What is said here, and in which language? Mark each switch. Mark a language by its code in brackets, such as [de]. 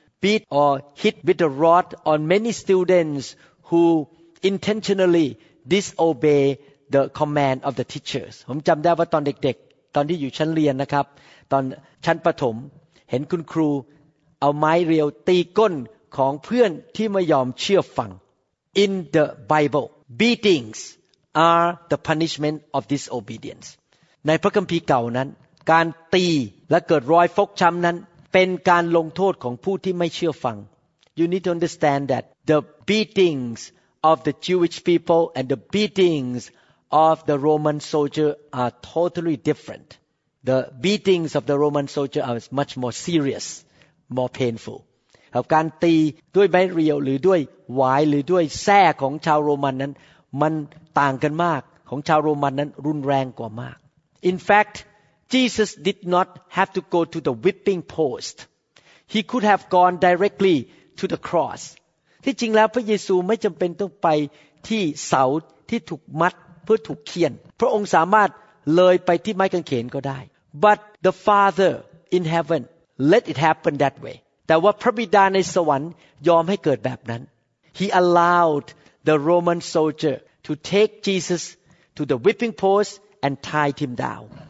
[en] Beat or hit with a rod on many students who intentionally disobey the command of the teachers. [th] ผมจำได้ว่าตอนเด็กๆตอนที่อยู่ชั้นเรียนนะครับตอนชั้นประถมเห็นคุณครูเอาไม้เรียวตีก้นของเพื่อนที่ไม่ยอมเชื่อฟัง [en] In the Bible, beatings are the punishment of disobedience. [th] ในพระคัมภีร์เก่านั้นการตีและเกิดรอยฟกช้ำนั้นเป็นการลงโทษของผู้ที่ไม่เชื่อฟัง [en] You need to understand that the beatings of the Jewish people and the beatings of the Roman soldier are totally different. The beatings of the Roman soldier are much more serious, more painful. [th] การตีด้วยไม้เรียวหรือด้วยหวายหรือด้วยแส้ของชาวโรมันนั้นมันต่างกันมากของชาวโรมันนั้นรุนแรงกว่ามาก [en] In factJesus did not have to go to the whipping post. He could have gone directly to the cross. [th] ที่จริงแล้วพระเยซูไม่จำเป็นต้องไปที่เสาที่ถูกมัดเพื่อถูกเคี่ยนพระองค์สามารถเลยไปที่ไม้กางเขนก็ได้ [en] But the Father in heaven let it happen that way. [th] แต่ว่าพระบิดาในสวรรค์ยอมให้เกิดแบบนั้น [en] He allowed the Roman soldier to take Jesus to the whipping post and tie him down.